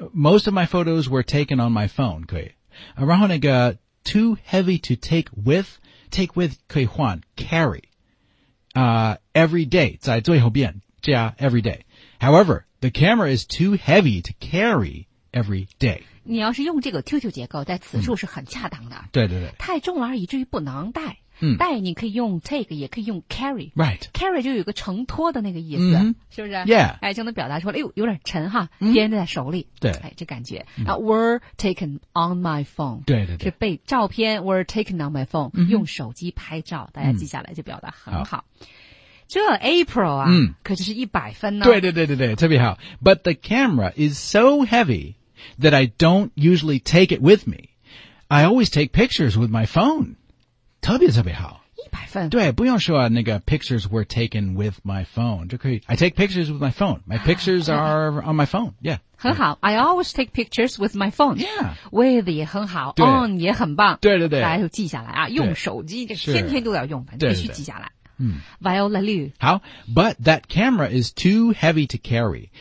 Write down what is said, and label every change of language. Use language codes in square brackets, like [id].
[en] Most of my photos were taken on my phone. [zh] 可以。然后那个 [en] too heavy to take with [zh] 可以换 [en] carry. Every day, [zh] 在最后边加 [en] every day. However, the camera is too heavy to carry every day. [zh] 你要是用这个 QQ 结构在此处是很恰当的。对对对。太重了而已至于不能带。带你可以用 take, 也可以用 carry. [en] Right. [zh] Carry 就有个承托的那个意思。是不是 [en] Yeah. [zh] 哎就能表达出来呦有点沉哈掂在手里。对。哎这感觉。 [en] Were taken on my phone. [zh] 对对对。是被照片 [en] were taken on my phone, [zh] 用手机拍照大家记下来就表达很好。这 April 啊可就是100分呢。对对对对对特别好。 [en] But the camera is so heavy that I don't usually take it with me. I always take pictures with my phone. [zh] 特别特别好。 100分。对不用说那个 [en] pictures were taken with my phone. [zh] 就可以 [en] I take pictures with my phone. My pictures are on my phone. Yeah. [zh] 很好。 [en] I always take pictures with my phone. Yeah. [zh] With 也很好。On 也很棒。对对对。大家就记下来啊。用手机这天天都要用的。必须记下来。 [en] Viola Liu. [zh] 好。 [en] But that camera is too heavy to carry.